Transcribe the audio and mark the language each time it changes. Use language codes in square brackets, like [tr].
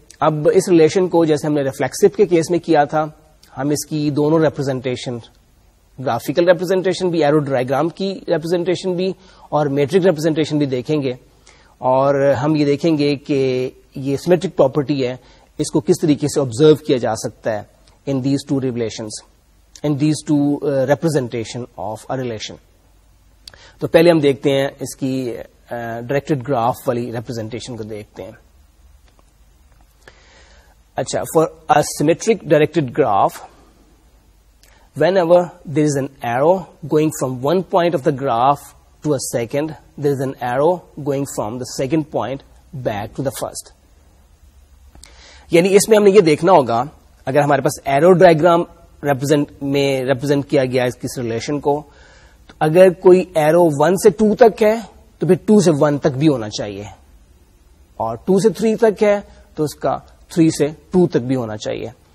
[ur] اب اس ریلیشن کو جیسے ہم نے ریفلیکسو کے کیس میں کیا تھا, ہم اس کی دونوں ریپرزینٹیشن, گرافیکل ریپرزینٹیشن بھی, ایرو ڈائیگرام کی ریپرزینٹیشن بھی, اور میٹرک ریپرزینٹیشن بھی دیکھیں گے, اور ہم یہ دیکھیں گے کہ یہ سیمیٹرک پراپرٹی ہے اس کو کس طریقے سے آبزرو کیا جا سکتا ہے [en] In these two relations, in these two representation of a relation. [ur] تو پہلے ہم دیکھتے ہیں اس کی ڈائریکٹڈ گراف والی ریپرزینٹیشن کو دیکھتے ہیں. [en] اچھا, for a symmetric directed graph, whenever there is an arrow going from one point of the graph to a second, there is an arrow going from the second point back to the first. [ur] یعنی اس میں ہم نے یہ دیکھنا ہوگا, اگر ہمارے پاس arrow diagram represent میں ریپرزینٹ کیا گیا اس کس ریلیشن کو, تو اگر کوئی ایرو 1 سے 2 تک ہے تو پھر 2 سے 1 تک بھی ہونا چاہیے, اور 2 سے 3 تک ہے تو اس کا 3 سے 2 تک بھی ہونا چاہیے.